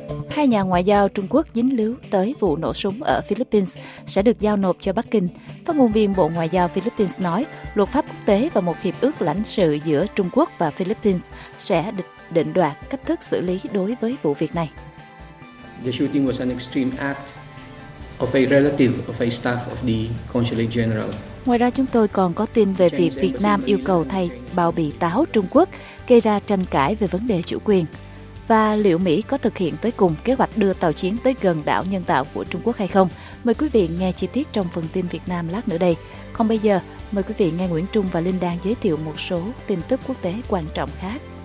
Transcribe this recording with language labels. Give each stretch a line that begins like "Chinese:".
Vietnamese: Hai nhà ngoại giao Trung Quốc dính líu tới vụ nổ súng ở Philippines sẽ được giao nộp cho Bắc Kinh. Phát ngôn viên Bộ Ngoại giao Philippines nói, luật pháp quốc tế và một hiệp ước lãnh sự giữa Trung Quốc và Philippines sẽ định đoạt cách thức xử lý đối với vụ việc này.
English: The shooting was an extreme act of a relative of a staff of the consulate general.
Vietnamese: Ngoài ra, chúng tôi còn có tin về việc Việt Nam yêu cầu thay bao bì táo Trung Quốc gây ra tranh cãi về vấn đề chủ quyền. Và liệu Mỹ có thực hiện tới cùng kế hoạch đưa tàu chiến tới gần đảo nhân tạo của Trung Quốc hay không? Mời quý vị nghe chi tiết trong phần tin Việt Nam lát nữa đây. Còn bây giờ, mời quý vị nghe Nguyễn Trung và Linh Đan giới thiệu một số tin tức quốc tế quan trọng khác.